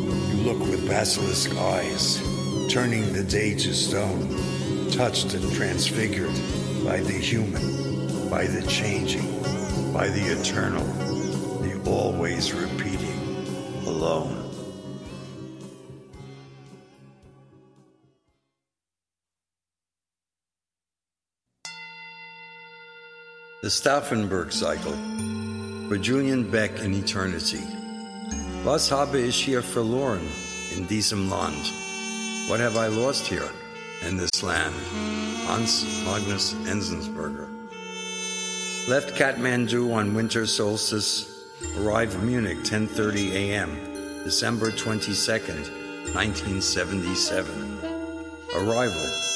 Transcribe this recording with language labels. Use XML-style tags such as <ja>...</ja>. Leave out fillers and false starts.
<en>You look with basilisk eyes, turning the day to stone, touched and transfigured by the human, by the changing, by the eternal, the always repeating, alone. The Stauffenberg Cycle, for Julian Beck in Eternity.</en> <de>Was habe ich hier verloren in diesem Land?</de> <en>What have I lost here in this land? Hans Magnus Enzensberger. Left Kathmandu on winter solstice, arrived Munich 10:30 a.m., December 22nd, 1977. Arrival.</en>